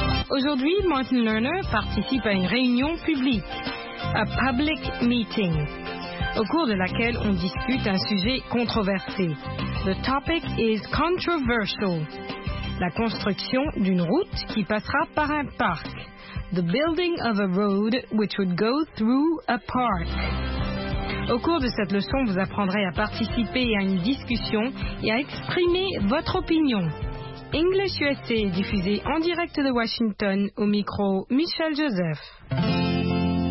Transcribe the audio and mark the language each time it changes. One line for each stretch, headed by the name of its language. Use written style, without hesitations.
French: Aujourd'hui, Martin Lerner participe à une réunion publique,
English: a public meeting,
French: au cours de laquelle on discute un sujet controversé.
English: The topic is controversial.
French: La construction d'une route qui passera par un parc.
English: The building of a road which would go through a park.
French: Au cours de cette leçon, vous apprendrez à participer à une discussion et à exprimer votre opinion. English USA, diffusé en direct de Washington, au micro Michel Joseph.